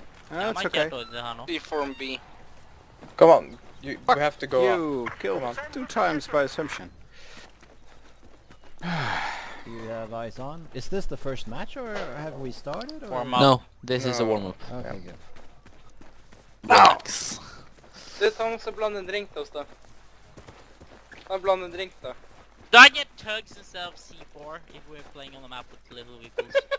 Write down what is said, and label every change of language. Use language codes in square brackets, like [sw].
[en] That's okay. Deform B. Come on, we have to go up. You killed him two times by assumption. Do you have eyes on? Is this the first match or have we started? Or? Warm up. No, this is a warm up. Okay, good. Max! [sv] Du, Tom, så bland en drink till oss då. Ta bland en drink då. [en] Do I get Tugs instead of C4 if we're playing on the map with little vehicles?